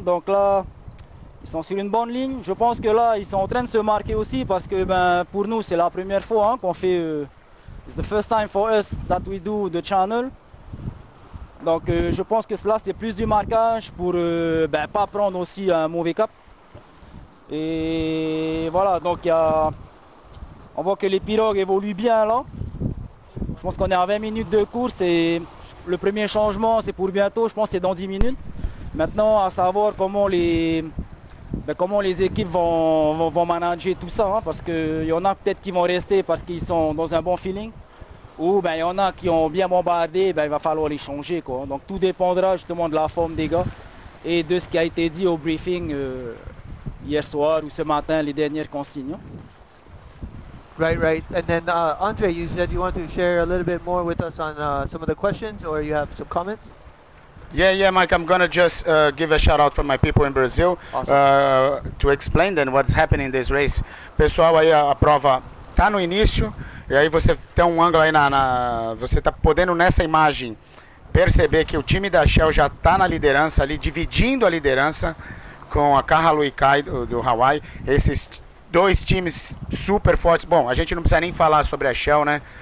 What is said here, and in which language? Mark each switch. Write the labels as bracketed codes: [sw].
[fr] Donc là, ils sont sur une bonne ligne. Je pense que là, ils sont en train de se marquer aussi parce que ben, pour nous, c'est la première fois hein, qu'on fait [en] It's the first time for us that we do the channel. [fr] Donc je pense que cela c'est plus du marquage pour ben, pas prendre aussi un mauvais cap. Et voilà, donc il y a... On voit que les pirogues évoluent bien là. Je pense qu'on est à 20 minutes de course et le premier changement c'est pour bientôt, je pense que c'est dans 10 minutes. Maintenant à savoir comment les... Ben, comment les équipes vont manager tout ça, hein, parce qu'il y en a peut-être qui vont rester parce qu'ils sont dans un bon feeling. Ou ben, il y en a qui ont bien bombardé, ben, il va falloir les changer, quoi. Donc tout dépendra justement de la forme des gars et de ce qui a été dit au briefing hier soir ou ce matin, les dernières consignes. Hein. [en] Right, right. And then Andre, you said you want to share a little bit more with us on some of the questions or you have some comments? Yeah, Mike, I'm going to just give a shout out for my people in Brazil. Awesome. To explain then what's happening in this race. [pt] Pessoal, aí a prova tá no início, e aí você tem um ângulo aí na você tá podendo nessa imagem perceber que o time da Shell já tá na liderança ali, dividindo a liderança com a Kahalu e Kai do Hawaii. Esses dois times super fortes. Bom, a gente não precisa nem falar sobre a Shell, né?